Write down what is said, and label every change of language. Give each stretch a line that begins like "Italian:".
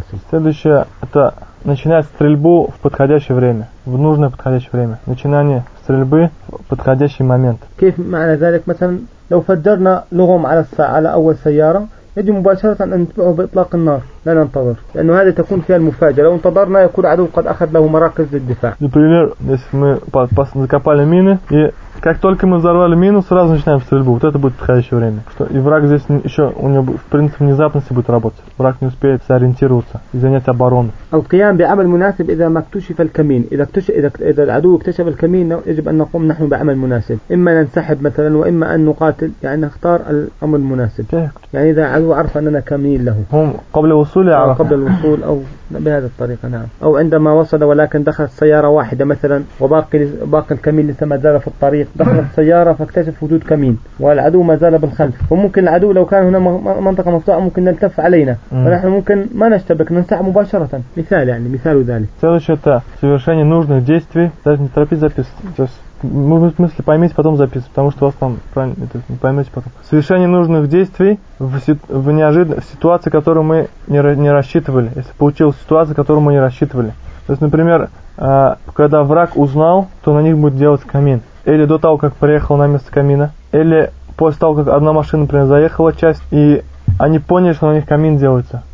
Russian: Следующее — это начинать стрельбу в подходящее время, в нужное подходящее время. Начинание стрельбы в подходящий момент.
Arabic: كيف معنى ذلك مثلا لو فجرنا لهم على الساعة على أول سيارة يجب مباشرة أن ننتبه بإطلاق النار لا ننتظر لأنه هذا تكون فيها المفاجأة لو انتظرنا يكون عدو قد أخذ له مراكز للدفاع.
Russian: Например, если мы закопали мины и как только мы взорвали мину, сразу начинаем стрельбу. Вот это будет подходящее время. Что и враг здесь еще, у него в принципе внезапности будет работать. Враг не успеет сориентироваться и занять оборону.
Arabic: القيام بعمل مناسب إذا ما اكتشف الكمين. إذا العدو اكتشف الكمين يجب أن نقوم نحن بعمل مناسب. إما ننسحب مثلا وإما أن نقاتل. يعني نختار الأمر المناسب. يعني إذا العدو عرف أننا كمين له. هم قبل الوصول أو قبل الوصول أو بهذا الطريقة نعم. أو عندما وصل ولكن دخل سيارة واحدة مثلا وباقي الكمين لسه ما زال في الطريق. دخلت سيارة فاكتشف وجود كمين والعدو ما زال بالخلف فممكن العدو لو كان هنا منطقة مفتوحة ممكن نلتف علينا ونحن ممكن ما نشتبك ننسحب مباشرة مثال يعني مثال ذلك
Russian: следующее это совершение нужных действий даже не торопись записывать в смысле поймите потом записывать потому что вас там не поймете потом совершение нужных действий в неожиданной ситуации которую мы не рассчитывали если получилась ситуация которую мы не рассчитывали то есть например когда враг узнал то на них будет делать камин или до того, как приехал на место камина, или после того, как одна машина, например, заехала часть, и они поняли, что на них камин делается.